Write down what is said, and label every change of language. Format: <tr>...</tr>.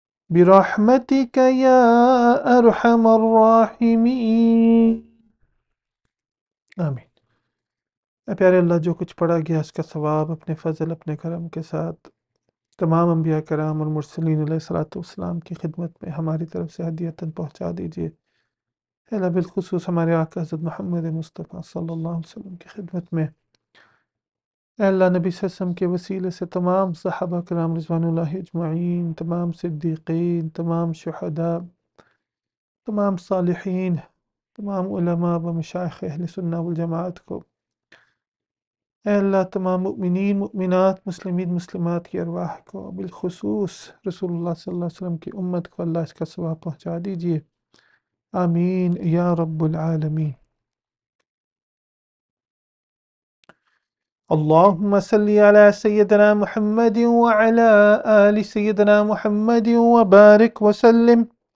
<ar>برحمتك يا أرحم الراحمين.</ar> <ur>آمین. اے پیارے اللہ، جو کچھ پڑھا گیا اس کا ثواب اپنے فضل اپنے کرم کے ساتھ تمام انبیاء کرام اور مرسلین علیہ الصلوۃ والسلام کی خدمت میں ہماری طرف سے ہدیۃً پہنچا دیجیے، اللہ بالخصوص ہمارے آقا حضرت محمد مصطفیٰ صلی اللہ علیہ وسلم کی خدمت میں، اللہ نبی صلی اللہ علیہ وسلم کے وسیلے سے تمام صحابہ کرام رضوان اللہ اجمعین، تمام صدیقین، تمام شہداء، تمام صالحین، تمام علماء و مشائخ اہل سنہ والجماعت کو، اے اللہ تمام مؤمنین مؤمنات مسلمین مسلمات کی ارواح کو، بالخصوص رسول اللہ صلی اللہ علیہ وسلم کی امت کو اللہ اس کا ثواب پہنچا دیجئے، آمین</ur> <ar>یا رب العالمین. اللهم صل على سيدنا محمد وعلى آل سيدنا محمد وبارك وسلم.</ar>